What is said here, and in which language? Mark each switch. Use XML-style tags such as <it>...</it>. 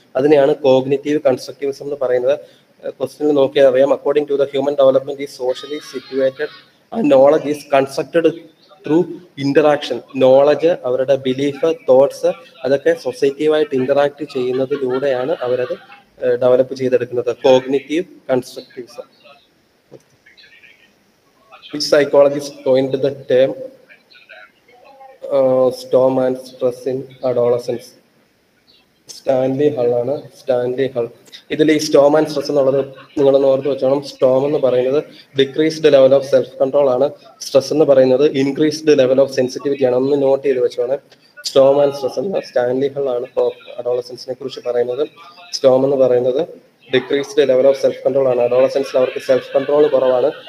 <ml>അതിനെയാണ് cognitive constructivism എന്ന് പറയുന്നത്. ക്വസ്റ്റ്യനിൽ നോക്കിയാൽ അറിയാം,</ml> <en>According to the human development is socially situated and knowledge is constructed through interaction.</en> <ml>Knowledge, അവരുടെ ബിലീഫ്, തോട്ട്സ് അതൊക്കെ സൊസൈറ്റിയുമായിട്ട് ഇന്ററാക്ട് ചെയ്യുന്നതിലൂടെയാണ് അവരത് ഡെവലപ്പ് ചെയ്തെടുക്കുന്നത്.</ml> <en>Cognitive constructivism. Which psychologist coined the term storm and stress in adolescence? Stanley Hull</en> <ml>ആണ്.</ml> <en>Stanley Hall.</en> <ml>ഇതിൽ ഈ Storm and stress എന്നുള്ളത് നിങ്ങളൊന്ന് ഓർത്ത് വെച്ചോണം. സ്റ്റോം എന്ന് പറയുന്നത്</ml> <en>decreased level of self control</en> <ml>ആണ്. സ്ട്രെസ് എന്ന് പറയുന്നത്</ml> <en>increased level of sensitivity</en> <ml>ആണ്. ഒന്ന് നോട്ട് ചെയ്ത് വെച്ചോണം. സ്റ്റോം ആൻഡ് സ്ട്രെസ് എന്ന് സ്റ്റാൻലി ഹൾ ആണ് അഡോളസെൻസിനെ കുറിച്ച് പറയുന്നത്. സ്റ്റോം എന്ന് പറയുന്നത്</ml> <en>decreased level of self control</en> <ml>ആണ്. അഡോളസെൻസിൽ അവർക്ക് സെൽഫ് കൺട്രോൾ കുറവാണ്.</ml>